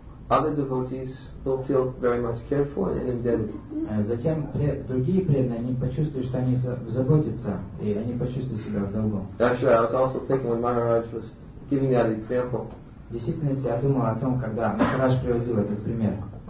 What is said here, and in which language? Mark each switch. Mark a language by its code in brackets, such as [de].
[en] Other devotees will feel very much cared for and indebted. [ru] Затем другие преданные, они почувствуют, что они заботятся, и они почувствуют себя в долгу. [en] Actually, I was also thinking when Maharaj was giving that example. [ru] В действительности, я думал о том, когда Махарадж приводил этот пример.